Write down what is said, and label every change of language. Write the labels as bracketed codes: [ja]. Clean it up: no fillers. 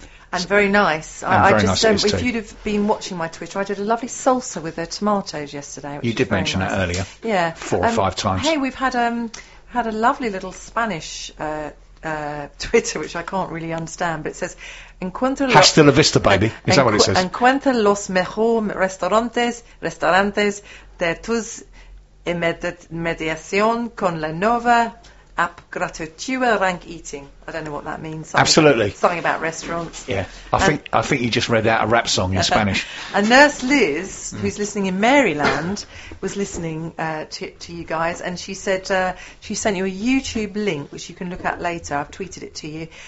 [en] And very nice. I just don't, you'd have been watching my Twitter, I did a lovely salsa with their tomatoes yesterday. You did mention nice. That earlier. Yeah. Four or five times. Hey, we've had a lovely little Spanish Twitter, which I can't really understand, but it says, [es] Hasta la vista, [en] baby. Is that what it says? [es] Encuentra los mejores restaurantes de tus mediación con la nueva app gratuita Rank Eating. [en] I don't know what that means. Something about restaurants. Yeah, I think you just read out a rap song in Spanish. And Nurse Liz, who's listening in Maryland, was listening to you guys, and she said she sent you a YouTube link, which you can look at later. I've tweeted it to you.